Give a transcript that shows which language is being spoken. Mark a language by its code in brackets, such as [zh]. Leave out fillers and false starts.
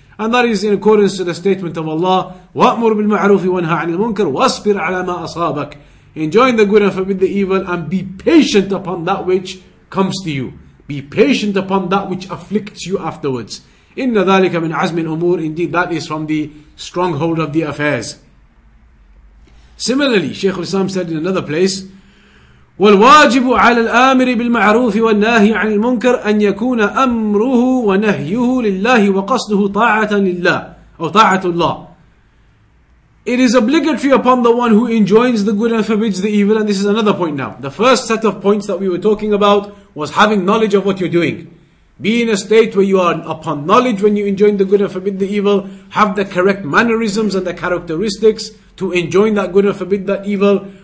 [en] And that is in accordance to the statement of Allah, وَأْمُرْ بِالْمَعْرُوفِ وَانْهَى عَنِ الْمُنْكَرِ وَاصْبِرْ عَلَى مَا أَصَابَكَ. Enjoin the good and forbid the evil and be patient upon that which comes to you. Be patient upon that which afflicts you afterwards. [ar] إِنَّ ذَلِكَ مِنْ عَزْمِ الْأُمُورِ. [en] Indeed, that is from the stronghold of the affairs. [ar] Similarly, Shaykh al-Islam said in another place, والواجب على الآمر بالمعروف والناهي عن المنكر أن يكون أمره ونهيه لله وقصده طاعة لله أو طاعة الله. [en] It is obligatory upon the one who enjoins the good and forbids the evil. And this is another point now. The first set of points that we were talking about was having knowledge of what you're doing. Be in a state where you are upon knowledge when you enjoin the good and forbid the evil. Have the correct mannerisms and the characteristics to enjoin that good and forbid that evil.